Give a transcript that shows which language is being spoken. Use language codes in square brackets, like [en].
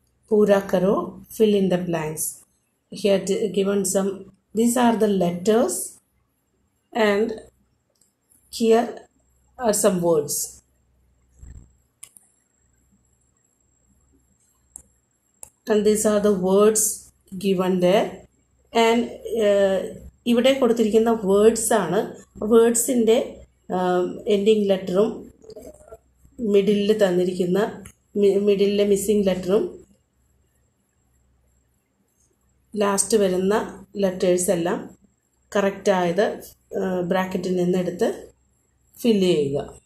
[hi] പൂരാ കരോ, [en] Fill in the blanks. Here given some, these are the letters and here are some words. And these are the words given there. [ml] And ഇവിടെ കൊടുത്തിരിക്കുന്ന words ആണ്, വേർഡ്സിൻ്റെ ending ലെറ്ററും മിഡിലിൽ തന്നിരിക്കുന്ന മിഡിലിലെ missing ലെറ്ററും last വരുന്ന letters എല്ലാം കറക്റ്റായത് ബ്രാക്കറ്റിൽ നിന്നെടുത്ത് fill ചെയ്യുക.